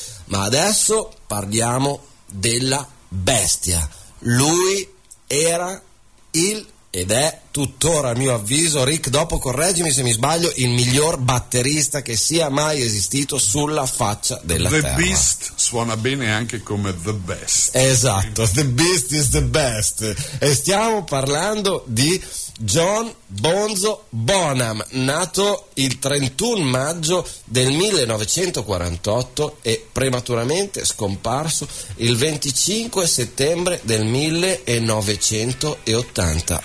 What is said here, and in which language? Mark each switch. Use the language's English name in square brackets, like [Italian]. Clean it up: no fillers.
[Italian] Ma adesso parliamo della bestia. Lui era il, ed è tuttora, a mio avviso, Rick, dopo correggimi se mi sbaglio, il miglior batterista che sia mai esistito sulla faccia della [English] the [Italian] terra. The Beast suona bene anche come The Best. [English] Esatto, The Beast is the best. [Italian] E stiamo parlando di John Bonzo Bonham, nato il 31 maggio del 1948 e prematuramente scomparso il 25 settembre del 1980.